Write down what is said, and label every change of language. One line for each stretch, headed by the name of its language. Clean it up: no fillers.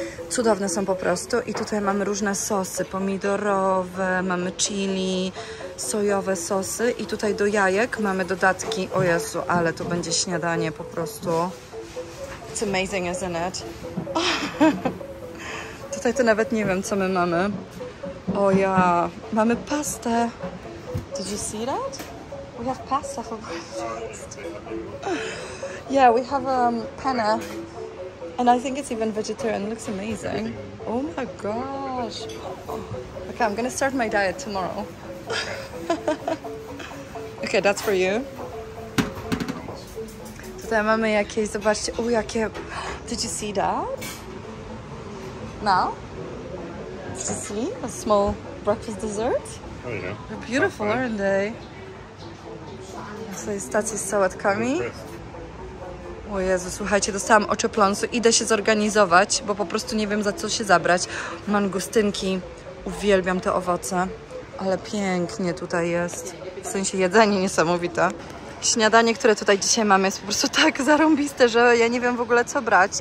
Polish: Cudowne są po prostu i tutaj mamy różne sosy, pomidorowe, mamy chili, sojowe sosy i tutaj do jajek mamy dodatki, o Jezu, ale to będzie śniadanie po prostu.
English: It's amazing, isn't it?
Polish: Tutaj to nawet nie wiem, co my mamy. O ja, mamy pastę.
English: Did you see that? We have pasta for breakfast. Yeah, we have penne. And I think it's even vegetarian. It looks amazing. Oh my gosh. Okay, I'm gonna start my diet tomorrow. Okay, that's for you.
Polish: Tutaj mamy jakieś, zobaczcie, o jakie...
English: Did you see that? Now? Did you see a small breakfast dessert? Oh yeah. They're beautiful, aren't they?
Polish: Tutaj stacja z sałatkami. O Jezu, słuchajcie, dostałam oczopląsu. Idę się zorganizować, bo po prostu nie wiem, za co się zabrać. Mangustynki. Uwielbiam te owoce. Ale pięknie tutaj jest. W sensie jedzenie niesamowite. Śniadanie, które tutaj dzisiaj mam, jest po prostu tak zarąbiste, że ja nie wiem w ogóle, co brać.